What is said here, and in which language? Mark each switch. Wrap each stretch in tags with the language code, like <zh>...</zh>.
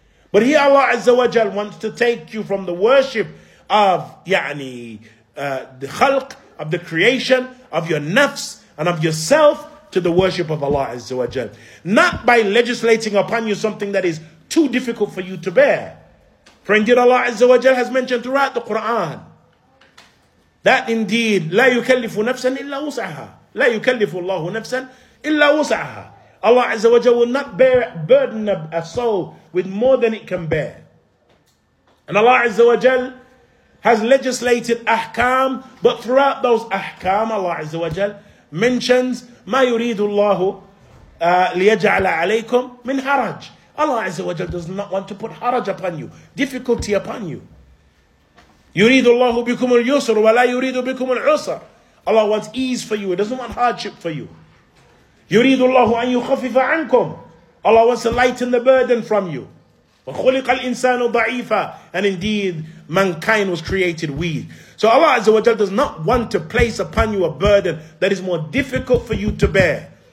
<en>But here Allah Azza wa Jal wants to take you from the worship of the khalq, of the creation, of your nafs and of yourself to the worship of Allah Azza wa Jal. Not by legislating upon you something that is too difficult for you to bear. For indeed Allah Azza wa Jal has mentioned throughout the Quran that indeed,</en> <ar>لا يكلف نفسا إلا وسعها. لا يكلف الله نفسا إلا وسعها.</ar> <en>Allah Azza wa Jal will not bear burden of a soul with more than it can bear. And Allah Azza wa Jal has legislated ahkam, but throughout those ahkam, Allah Azza wa Jal mentions,</en> <ar>ما يريد الله ليجعل عليكم من حرج.</ar> <en>Allah Azza wa Jal does not want to put haraj upon you, difficulty upon you.</en> <ar>يريد الله بكم اليسر ولا يريد بكم العسر.</ar> <en>Allah wants ease for you, He doesn't want hardship for you.</en> <ar>يريد الله أن يخفف عنكم.</ar> <en>Allah wants to lighten the burden from you.</en> <ar>وخلق الإنسان ضعيفا.</ar> <en>And indeed, mankind was created weak. So Allah Azza wa Jal does not want to place upon you a burden that is more difficult for you to bear.</en>